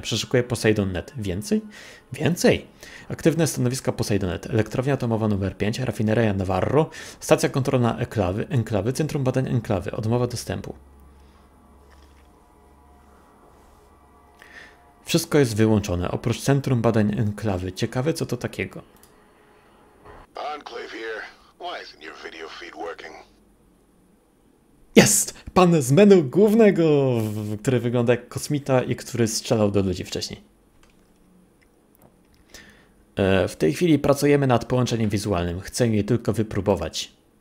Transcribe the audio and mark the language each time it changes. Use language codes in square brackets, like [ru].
[pl] Przeszukuję Poseidonet. Więcej? Więcej. Aktywne stanowiska Poseidonet. Elektrownia atomowa numer 5. Rafineria Navarro. Stacja kontrolna Enklawy. Centrum badań Enklawy. Odmowa dostępu. Wszystko jest wyłączone. Oprócz Centrum badań Enklawy. Ciekawe, co to takiego. [en] Enklawy. Why isn't your video feed working? [pl] Jest! pan z menu głównego, który wygląda jak kosmita i który strzelał do ludzi wcześniej. W tej chwili pracujemy nad połączeniem wizualnym. Chcę je tylko wypróbować.